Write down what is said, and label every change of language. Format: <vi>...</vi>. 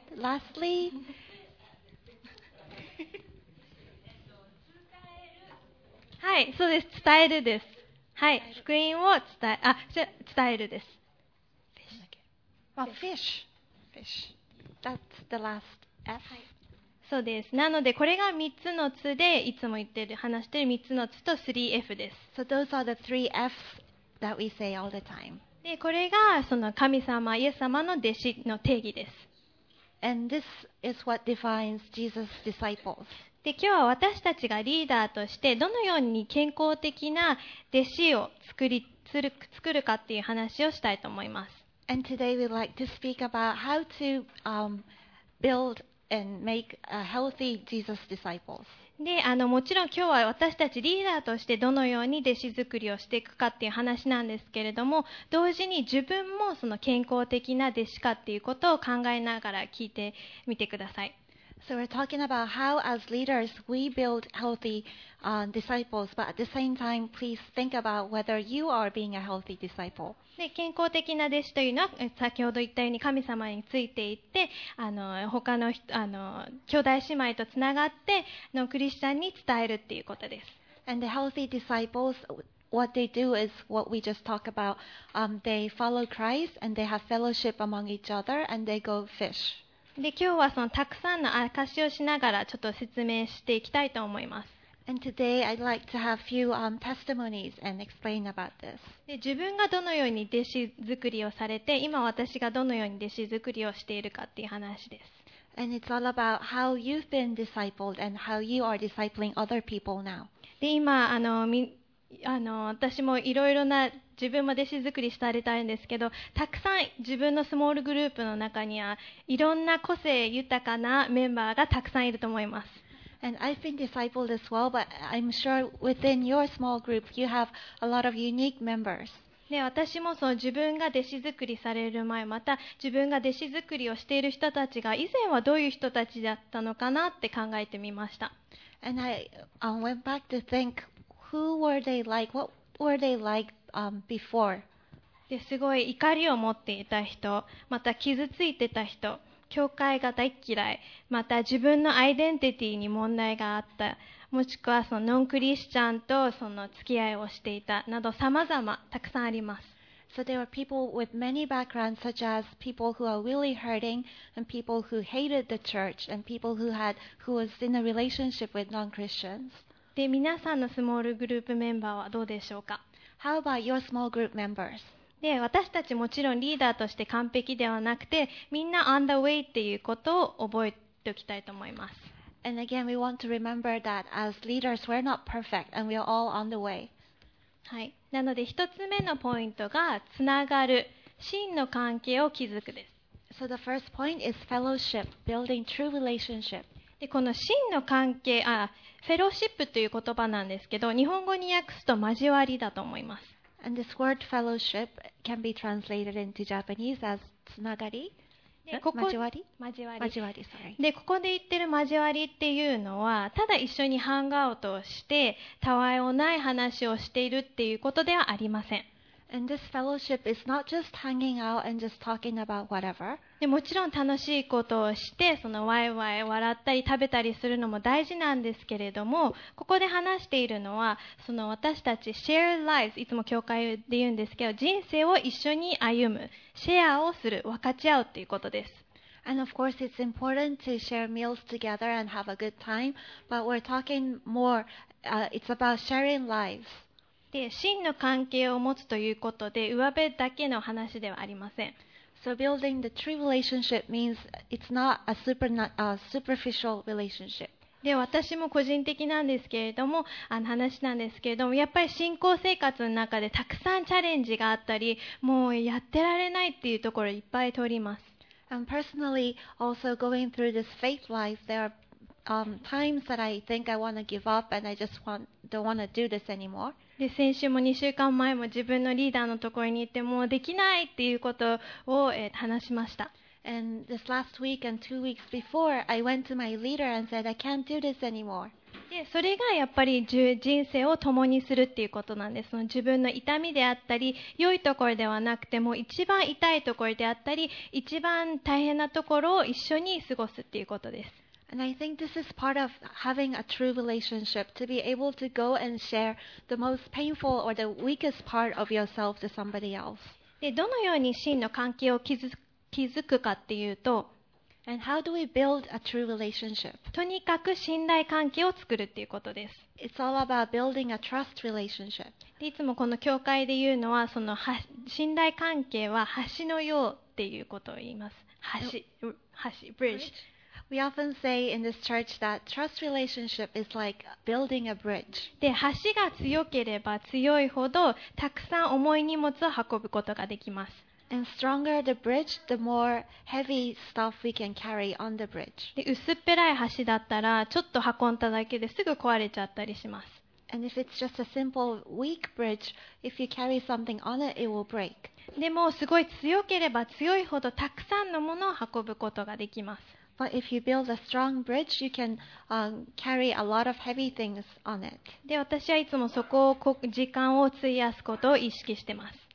<ja>伝える。はい、そうです。伝えるです。はい、福音を伝えるです。</ja> <en>Fish. Well, fish. Fish. That's the last F.</en> <ja>そうです。なのでこれが3つの図でいつも言ってる話してる3つの図と 3F です。</ja> <en>So those are the three F's that we say all the time.</en> <ja>でこれがその神様イエス様の弟子の定義です。</ja> <en>And this is what defines Jesus' disciples.</en> <ja>で今日は私たちがリーダーとしてどのように健康的な弟子を作るかっていう話をしたいと思います。</ja> <en>And today we'd like to speak about how to buildAnd make a healthy Jesus disciples.</en> <ja>で、もちろん今日は私たちリーダーとしてどのように弟子作りをしていくかっていう話なんですけれども、同時に自分もその健康的な弟子かっていうことを考えながら聞いてみてください。</ja> <en>So we're talking about how as leaders we build healthy disciples, but at the same time please think about whether you are being a healthy disciple.</en> <ja>で健康的な弟子というのは先ほど言ったように神様についていって、他の人兄弟姉妹とつながってのクリスチャンに伝えるっていうことです。</ja> <en>And the healthy disciples, what they do is what we just talked about. They follow Christ and they have fellowship among each other and they go fish.</en> <ja>で今日はそのたくさんの証をしながらちょっと説明していきたいと思います。</ja> <en>And today I'd like to have a few testimonies and explain about this.</en> <ja>で、自分がどのように弟子作りをされて、今私がどのように弟子作りをしているかっていう話です。</ja> <en>And it's all about how you've been discipled and how you are discipling other people now.</en> <ja>で、今私もいろいろな自分も弟子作りしてあげたいんですけど、たくさん自分のスモールグループの中にはいろんな個性豊かなメンバーがたくさんいると思います。</ja> <en>And I've been discipled as well, but I'm sure within your small group, you have a lot of unique members.</en> <ja>で、私もその自分が弟子作りされる前、また自分が弟子作りをしている人たちが以前はどういう人たちだったのかなって考えてみました。</ja> <en>And I went back to think, who were they like? What were they like before?</en> <ja>で、すごい怒りを持っていた人、また傷ついてた人。教会が大嫌い、また自分のアイデンティティに問題があった、もしくはそのノンクリスチャンとその付き合いをしていたなど、様々たくさんあります。</ja> <en>So there are people with many backgrounds, such as people who are really hurting and people who hated the church and people who was in a relationship with non-Christians.</en> <ja>で、皆さんのスモールグループメンバーはどうでしょうか。</ja> <en>How about your small group members?</en> <ja>で、私たちもちろんリーダーとして完璧ではなくて、みんな</ja> <en>on the way</en> <ja>っていうことを覚えておきたいと思います。</ja> <en>And again, we want to remember that as leaders, we're not perfect and we're all on the way.</en> <ja>はい、なので一つ目のポイントがつながる真の関係を築くです。</ja> <en>So the first point is fellowship, building true relationship.</en> <ja>で、この真の関係、フェローシップという言葉なんですけど、日本語に訳すと交わりだと思います。</ja> <en>And this word fellowship can be translated into Japanese as</en> <ja>つながり。で、ここ交わり、交わり、</ja> <en>sorry.</en> <ja>で、ここで言ってる交わりっていうのは、ただ一緒にハンガーアウトをしてたわいもない話をしているっていうことではありません。</ja> <en>And this fellowship is not just hanging out and just talking about whatever.</en> <ja>で、もちろん楽しいことをしてそのワイワイ笑ったり食べたりするのも大事なんですけれども、ここで話しているのはその私たち</ja> <en>shared lives、</en> <ja>いつも教会で言うんですけど、人生を一緒に歩む、シェアをする、分かち合うということです。</ja> <en>And of course it's important to share meals together and have a good time, but we're talking more, it's about sharing lives.</en> <ja>で、真の関係を持つということで、上辺だけの話ではありません。</ja> <en>So building the true relationship means it's not a superficial relationship.</en> <ja>で、私も個人的なんですけれども、話なんですけれども、やっぱり信仰生活の中でたくさんチャレンジがあったり、もうやってられないっていうところをいっぱい通ります。</ja> <en>And personally, also going through this faith life, there are times that I think I want to give up and I just don't want to do this anymore.</en> <ja>で、先週も2週間前も自分のリーダーのところに行ってもうできないっていうことを、話しました。</ja> <en>And this last week and two weeks before, I went to my leader and said, I can't do this anymore.</en> <ja>で、それがやっぱり人生を共にするっていうことなんです。その自分の痛みであったり、良いところではなくても一番痛いところであったり、一番大変なところを一緒に過ごすっていうことです。</ja> <en>And I think this is part of having a true relationship, to be able to go and share the most painful or the weakest part of yourself to somebody else.</en> <ja>で、どのように真の関係を築くかっていうと、</ja> <en>And how do we build a true relationship?</en> <ja>とにかく信頼関係を作るっていうことです。</ja> <en>It's all about building a trust relationship.</en> <ja>で、いつもこの教会で言うのは、その信頼関係は橋のようっていうことを言います。橋、</ja> <en>bridge。 We often say in this church that trust relationship is like building a bridge.</en> <ja>で、橋が強ければ強いほどたくさん重い荷物を運ぶことができます。</ja> <en>And stronger the bridge, the more heavy stuff we can carry on the bridge.</en> <ja>で、薄っぺらい橋だったらちょっと運んだだけですぐ壊れちゃったりします。</ja> <en>And if it's just a simple weak bridge, if you carry something on it, it will break.</en> <ja>でもすごい強ければ強いほどたくさんのものを運ぶことができます。</ja> <en>But if you build a strong bridge, you can carry a lot of heavy things on it.</en> <ja>で、私はいつもそこを時間を費やすことを意識してます。</ja>